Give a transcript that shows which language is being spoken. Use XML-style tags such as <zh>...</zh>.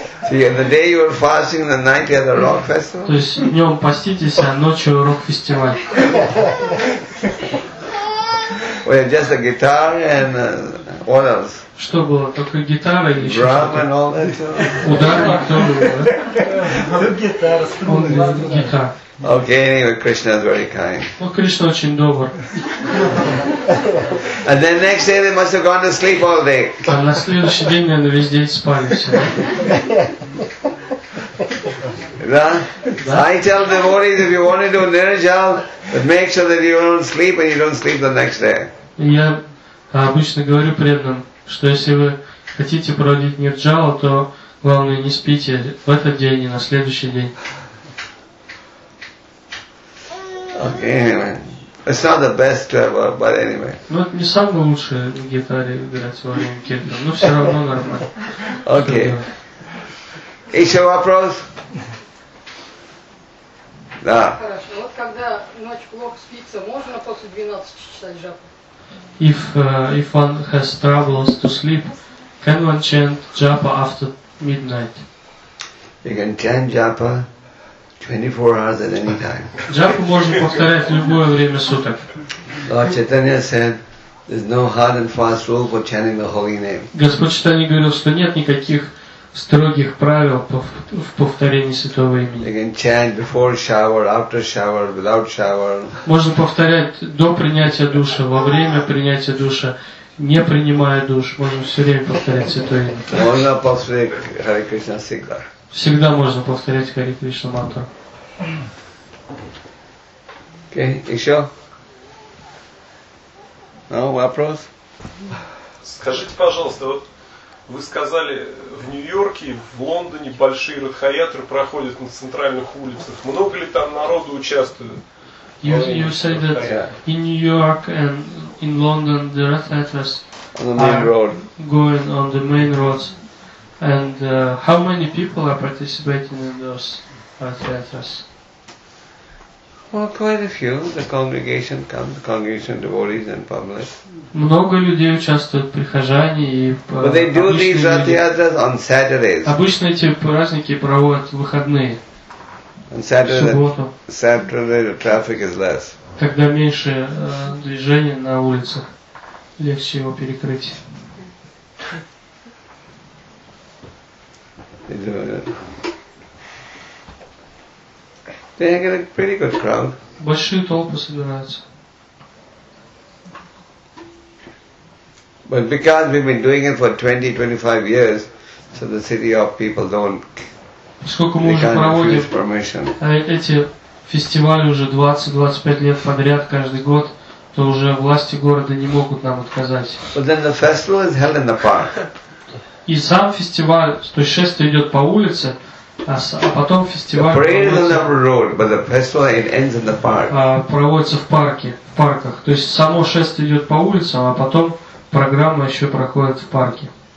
<en>See, the day you are fasting, the night you have the rock festival.</en> <ru>То есть днем поститесь, а ночью рок фестиваль.</ru> <en>We have just a guitar and what else?</en> <ru>Что было? Только гитара или еще что-то? Ударный актер был, да? Гитара, струны. Гитара.</ru> <en>Okay, anyway, Krishna is very kind.</en> <ru>Ну, Кришна очень добр.</ru> <en>And then next day they must have gone to sleep all day.</en> <ru>А на следующий день, наверное, весь день спали все. Да?</ru> <en>I tell devotees, if you want to do nirjal, make sure that you don't sleep and you don't sleep the next day.</en> <ru>Я обычно говорю преданным, что если вы хотите проводить нирджалу, то главное не спите в этот день и на следующий день.</ru> <en>Okay, anyway. It's not the best clever, but anyway.</en> <ru>Ну, это не самое лучшее на гитаре играть во время кирта, но все равно нормально. Okay. Еще вопрос? Да. Хорошо. Вот когда ночь плохо спится, можно после 12 читать джапу?</ru> <en>If one has troubles to sleep, can one chant japa after midnight? You can chant japa 24 hours at any time.</en> <ru>Japa можно повторять в любое время суток.</ru> <en>Lord Chaitanya said, there's no hard and fast rule for chanting the holy name.</en> <ru>Господь Читания говорил, что нет никаких строгих правил в повторении святого имени.</ru> <en>You can chant before shower, after shower, without shower.</en> <ru>Можно повторять до принятия душа, во время принятия душа, не принимая душ, можно все время повторять святое имя. Можно повторять Хари Кришна всегда. Всегда можно повторять Хари Кришна мантру. Окей, еще? Ну, вопрос? Скажите, пожалуйста, вот вы сказали, в Нью-Йорке, в Лондоне большие радхаятры проходят на центральных улицах. Много ли там народу участвует?</ru> <en>You said that in New York and in London the radhayatras on the main road. Going on the main roads. And how many people are participating in those radhayatras? Well, quite a few. The congregation comes, the congregation devotees and public.</en> <ru>Много людей участвуют в прихожане и обычные.</ru> <en>But they do these radhayatras on Saturdays.</en> <ru>Обычно эти праздники проводят в выходные.</ru> <en>On Saturday, the traffic is less.</en> <ru>Когда меньше движения на улицах, легче его перекрыть.</ru> <en>They get a pretty good crowd.</en> <ru>Большие толпы собираются.</ru> <en>But because we've been doing it for 20-25 years, so the city of people don't.</en> <ru>Сколько мы уже проводим эти фестивали уже 20-25 лет подряд каждый год, то уже власти города не могут нам отказать.</ru> <en>But then the festival is held in the park.</en> <ru>И сам фестиваль, то есть шествие идет по улице. А потом фестиваль проводится в парке, в парках. То есть само шествие идет по улицам, а потом программа еще проходит в парке.</ru>